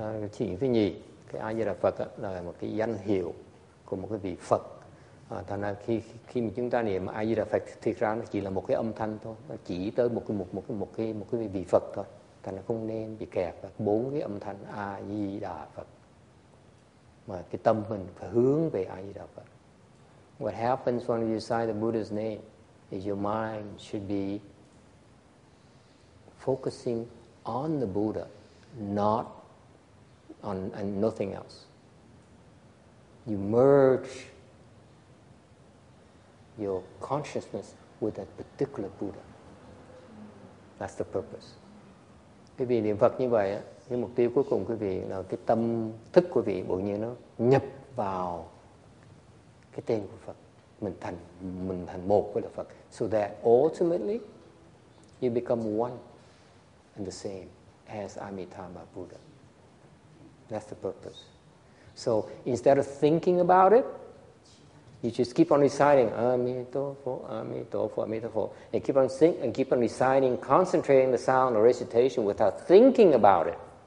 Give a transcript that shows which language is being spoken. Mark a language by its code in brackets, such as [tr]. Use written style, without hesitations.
[vi] Cái chuyện thứ nhì, cái A Di Đà Phật là một cái danh hiệu của một cái vị Phật. Thành ra khi mà chúng ta niệm A Di Đà Phật, thực ra nó chỉ là một cái âm thanh thôi, nó chỉ tới một cái vị Phật thôi. Thành ra không nên bị kẹt vào bốn cái âm thanh A Di Đà Phật, mà cái tâm mình phải hướng về A Di Đà Phật. [en] What happens when you say the Buddha's name is your mind should be focusing on the Buddha, not on and nothing else. You merge your consciousness with that particular Buddha. That's the purpose. [vi] Quý vị niệm Phật như vậy, cái mục tiêu cuối cùng quý vị là cái tâm thức của vị bỗng nhiên nó nhập vào cái tên của Phật. Mình thành một với là Phật. [en] So that ultimately you become one and the same as Amitabha Buddha. That's the purpose. So instead of thinking about it, you just keep on reciting Amitabha, Amitabha, Amitabha, and keep on singing and keep on reciting, concentrating the sound or recitation without thinking about it.